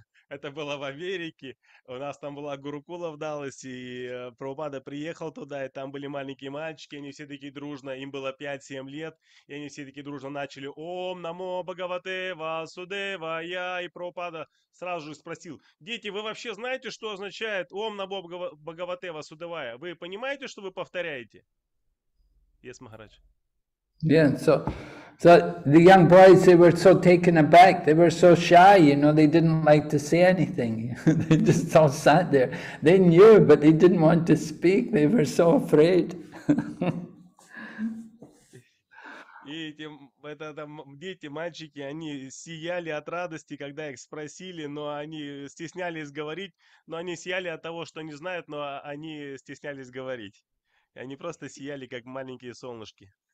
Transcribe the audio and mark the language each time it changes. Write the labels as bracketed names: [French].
[Russian] Это было в Америке, у нас там была гурукула в Далласе, и Прабхупада приехал туда, и там были маленькие мальчики, они все такие дружно, им было 5-7 лет, и они все такие дружно начали [Sanskrit] «Ом намо бхагавате васудевая», [Russian] и Прабхупада сразу же спросил: «Дети, вы вообще знаете, что означает «Ом намо бхагавате васудевая»? Вы понимаете, что вы повторяете?» [English] Yes, Maharaj. Yeah, so... So the young boys, they were so taken aback, they were so shy, you know, they didn't like to say anything. They just all sat there. They knew, but they didn't want to speak, they were so afraid. [Russian] И эти дети, мальчики, они сияли от радости, когда их спросили, но они стеснялись говорить, но они сияли от того, что не знают, но они стеснялись говорить. И они просто сияли, как маленькие солнышки.